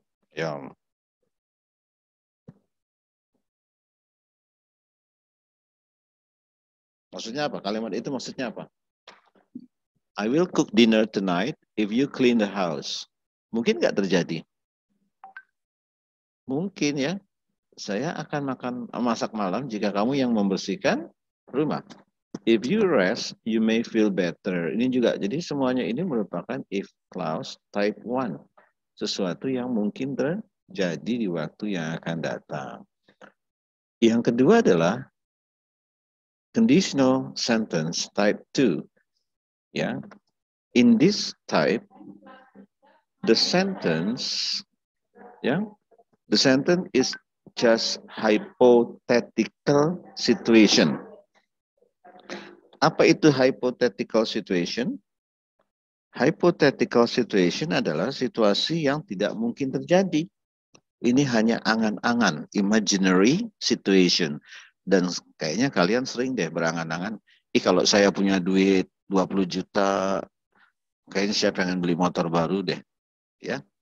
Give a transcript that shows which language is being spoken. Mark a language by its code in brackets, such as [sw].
[id] Ya. Maksudnya apa? Kalimat itu maksudnya apa? [en] I will cook dinner tonight if you clean the house. [id] Mungkin nggak terjadi? Mungkin ya. Saya akan makan masak malam jika kamu yang membersihkan rumah. [en] If you rest, you may feel better. [id] Ini juga. Jadi semuanya ini merupakan [en] if clause type 1. [id] Sesuatu yang mungkin terjadi di waktu yang akan datang. Yang kedua adalah conditional sentence type 2. Ya. [en] In this type, the sentence, ya, the sentence is just hypothetical situation. [id] Apa itu hypothetical situation? Hypothetical situation adalah situasi yang tidak mungkin terjadi. Ini hanya angan-angan, [en] imaginary situation. [id] Dan kayaknya kalian sering deh berangan-angan, ih kalau saya punya duit 20 juta, kayaknya saya pengen beli motor baru deh. Ya.